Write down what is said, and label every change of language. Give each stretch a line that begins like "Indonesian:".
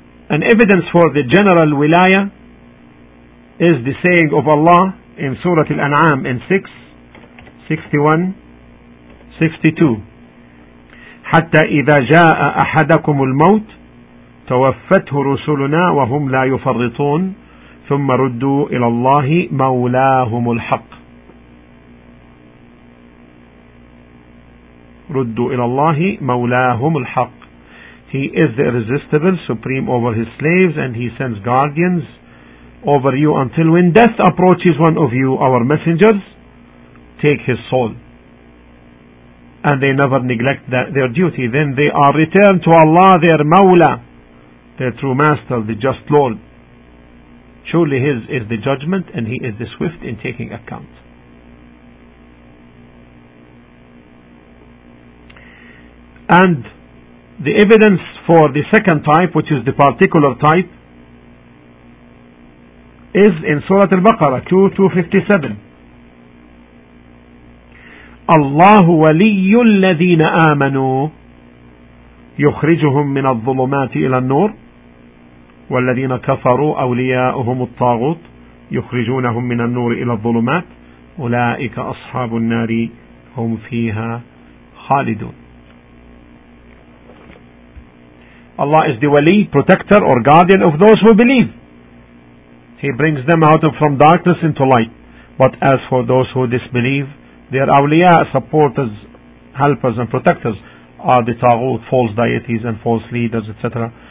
English: An evidence for the general wilaya is the saying of Allah in Surah Al-An'am in 6:61-62.
Arabic: حتى إذا جاء أحدكم الموت توفته رسلنا وهم لا يفرطون ثم ردوا إلى الله مولاهم الحق. ردوا إلى الله مولاهم الحق.
English: He is the irresistible, supreme over his slaves, and he sends guardians over you until when death approaches one of you, our messengers take his soul, and they never neglect their duty. Then they are returned to Allah, their Mawla, their true master, the just Lord. Surely his is the judgment, and he is the swift in taking account. And the evidence for the second type, which is the particular type, is in Surah Al-Baqarah 2:257.
Arabic: الله ولي الذين آمنوا يخرجهم من الظلمات إلى النور والذين كفروا أولياؤهم الطاغوت يخرجونهم من النور إلى الظلمات أولئك أصحاب النار هم فيها خالدون.
English: Allah is the wali, protector or guardian of those who believe. He brings them out from darkness into light. But as for those who disbelieve, their awliya, supporters, helpers and protectors, are the taghut, false deities and false leaders, etc.